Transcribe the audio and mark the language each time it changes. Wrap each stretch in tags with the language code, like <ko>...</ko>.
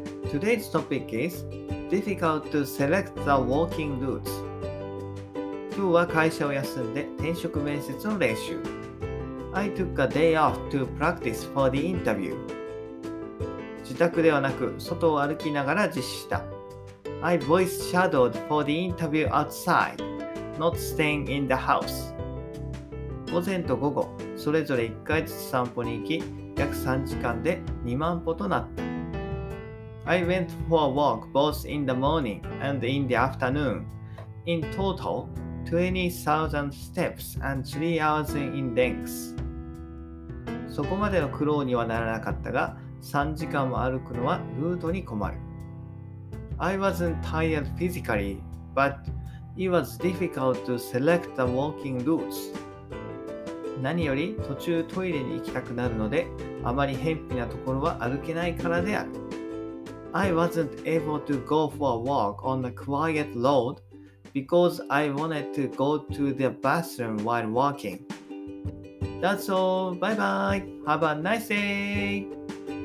<en>Today's topic is difficult to select the walking routes.</en> <ja>今日は会社を休んで転職面接の練習。</ja> <en>I took a day off to practice for the interview.</en> <ja>自宅ではなく外を歩きながら実施した。</ja> <en>I voice shadowed for the interview outside, not staying in the house.</en> <ja>午前と午後、それぞれ1回ずつ散歩に行き、約3時間で2万歩となった。</ja> <en>I went for a walk both in the morning and in the afternoon. In total, 20,000 steps and 3 hours in length.</en> <ja>そこまでの苦労にはならなかったが、3時間も歩くのはルートに困る。</ja> <en>I wasn't tired physically, but it was difficult to select the walking routes.</en> <ja>何より途中トイレに行きたくなるので、あまり辺鄙なところは歩けないからである。</ja> <en>I wasn't able to go for a walk on a quiet road because I wanted to go to the bathroom while walking. That's all. Bye bye. Have a nice day.</en>